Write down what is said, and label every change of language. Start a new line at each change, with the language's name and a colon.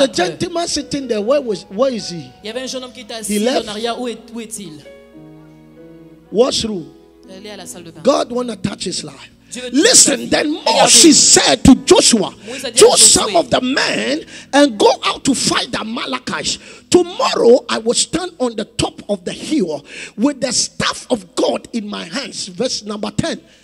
English: Was a gentleman sitting there. Where is he?
French: Il y avait un jeune homme qui était assis en arrière. Où est-il?
English: washroom. God want to touch his life. Listen, then Moses said to Joshua, choose some of the men and go out to fight the Amalekites. Tomorrow I will stand on the top of the hill with the staff of God in my hands. Verse number 10.